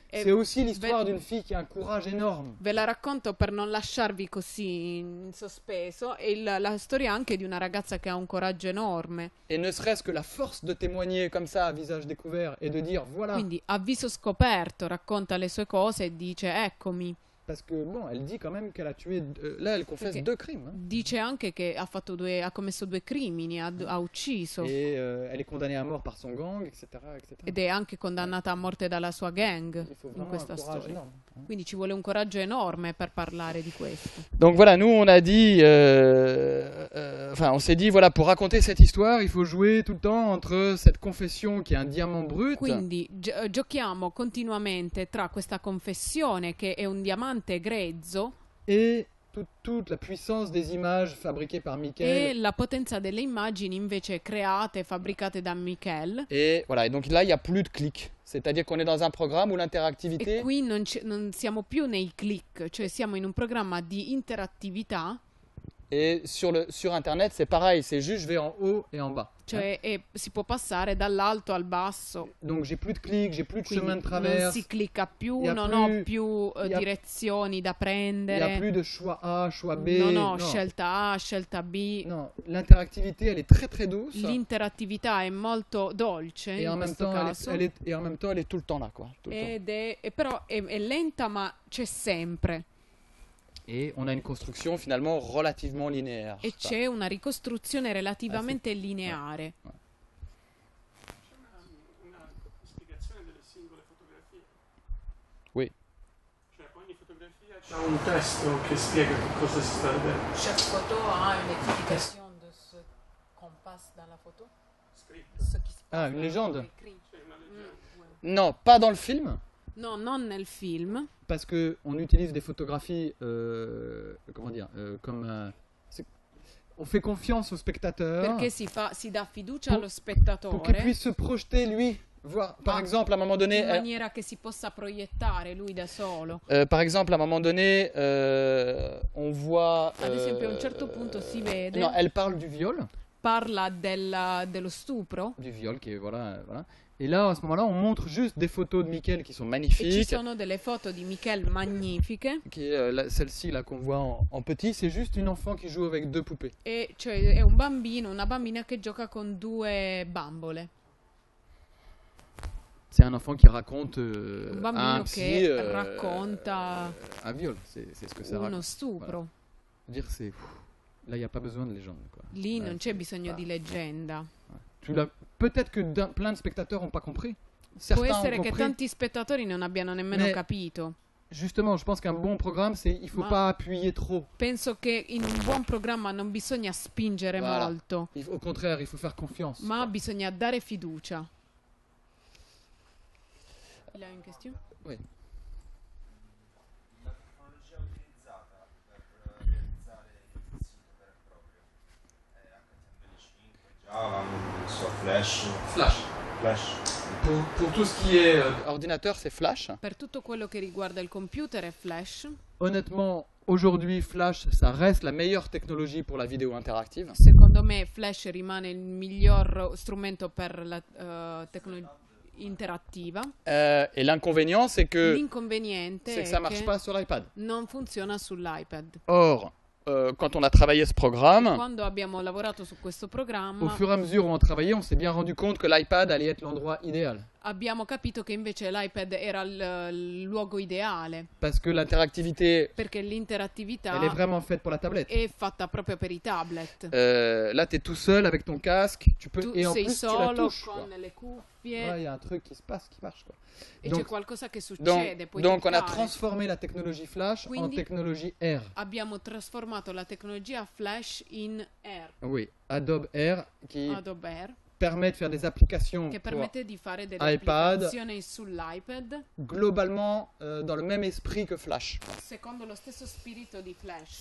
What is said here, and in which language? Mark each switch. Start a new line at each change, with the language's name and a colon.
French: Et c'est aussi l'histoire d'une fille qui a un courage énorme.
Italian: Ve la racconto per non lasciarvi così in sospeso. E la storia anche di una ragazza che ha un coraggio enorme.
French: Et ne serait-ce que la force de témoigner comme ça à visage découvert et de dire voilà.
Italian: Quindi a viso scoperto racconta le sue cose e dice eccomi.
French: parce que bon, elle dit quand même qu'elle a tué là elle confesse deux crimes. Hein.
Italian: Dice anche che ha fatto due ha commesso due crimini, ha ucciso.
French: Et elle est condamnée à mort par son gang, etc., etc.
Italian: Ed è anche condannata a morte dalla sua gang in questa storia. Enorme. Quindi ci vuole un coraggio enorme per parlare di questo.
French: Donc voilà, nous on a dit enfin on s'est dit voilà, pour raconter cette histoire, il faut jouer tout le temps entre cette confession qui est un diamant brut.
Italian: Quindi giochiamo continuamente tra questa confessione che è un diamante grezzo
French: e toute la puissance des images fabriquées par Michel
Italian: et la potenza delle immagini invece create fabbricate da Michel
French: et voilà et donc là il y a plus de clics, c'est-à-dire qu'on est dans un programme où l'interactivité
Italian: et qui non siamo più nei click, cioè siamo in un programma di interattività
French: et sur internet c'est pareil, c'est juste je vais en haut et en bas.
Italian: Cioè, si può passare dall'alto al basso.
French: Donc j'ai plus de clics, j'ai plus de chemin de traverse.
Italian: Non si clicca più, non ho più direzioni da prendere.
French: Il y a plus de choix A, choix B.
Italian: Non ho scelta A, scelta B.
French: Non, l'interactivité elle est très très douce.
Italian: L'interattività è molto dolce
French: et
Italian: in questo caso.
French: En même temps elle est tout le temps là quoi.
Italian: Però è lenta ma c'è sempre.
French: Et on a une construction finalement relativement linéaire.
Italian: Et c'è una ricostruzione relativamente lineare. Una spiegazione delle singole fotografie.
French: Oui.
Italian: Cioè ogni fotografia c'ha un testo che spiega cosa si sta vedendo.
French: Chaque photo a une explication de ce qu'on passe dans la photo.
Italian: Scritto.
French: Ah, une légende. Mm. Non, pas dans le film.
Italian: Non, non nel film.
French: Parce que on utilise des photographies, comme on fait confiance au spectateur.
Italian: Perché si dà fiducia allo spettatore.
French: Pour qu'il puisse se projeter lui, voir. Par exemple, à un moment donné.
Italian: In maniera che si possa proiettare lui da solo.
French: Par exemple, à un moment donné, on voit.
Italian: Ad esempio, a un certo punto si vede.
French: Non, elle parle du viol.
Italian: Parla dello stupro.
French: Du viol, qui voilà. Et là, à ce moment-là, on montre juste des photos de Michel qui sont magnifiques.
Italian: Et ci sono delle foto di Michel magnifiche.
French: Qui est celle-ci là qu'on voit en petit, c'est juste une enfant qui joue avec deux poupées.
Italian: Et cioè è un bambino, una bambina che gioca con due bambole.
French: C'est un enfant qui raconte un viol, c'est ce que ça raconte.
Italian: Uno stupro.
French: Voilà. Dire c'est là, il y a pas besoin de légende quoi.
Italian: Lì non c'è bisogno di leggenda.
French: Peut-être que plein de spectateurs n'ont pas compris.
Italian: Può essere che tanti spettatori non abbiano nemmeno capito.
French: Justement, je pense qu'un bon programme, c'est il faut pas appuyer trop.
Italian: Penso che in un buon programma non bisogna spingere molto.
French: Au contraire, il faut faire confiance.
Italian: Ma bisogna dare fiducia.
French: Il a une question? Oui. Flash. Pour tout ce qui est ordinateur, c'est flash.
Italian: Per tutto quello che riguarda il computer è flash.
French: Honnêtement, aujourd'hui, flash, ça reste la meilleure technologie pour la vidéo interactive.
Italian: Secondo me, flash rimane il miglior strumento per la tecnologia interattiva.
French: Et l'inconvénient, c'est que
Italian: l'inconveniente
French: c'est que ça marche pas sur l'iPad.
Italian: Non funziona sull'iPad.
French: Or quand on a travaillé ce programme,
Italian: quando abbiamo lavorato su questo programma,
French: au fur et à mesure où on travaillait, on s'est bien rendu compte que l'iPad allait être l'endroit idéal.
Italian: Abbiamo capito che invece l'iPad era il luogo ideale.
French: Parce que l'interactivité,
Italian: perché l'interattività,
French: elle est vraiment faite pour la tablette.
Italian: È fatta proprio per i tablet.
French: Là, t'es tout seul avec ton casque, tu peux tu et en plus
Italian: solo,
French: tu la touches.
Italian: Con le cuffie.
French: Ouais, y a un truc qui se passe, qui marche quoi. Et donc,
Italian: c'è qualcosa che succede.
French: Donc on a transformé la technologie flash
Italian: quindi,
French: en technologie R.
Italian: Abbiamo trasformato la tecnologia flash in R.
French: Oui, Adobe R qui.
Italian: Adobe R.
French: Permet de faire des applications
Italian: che permette di fare delle applicazioni sull'iPad
French: globalement dans le même esprit que Flash.
Italian: Secondo lo stesso spirito di Flash.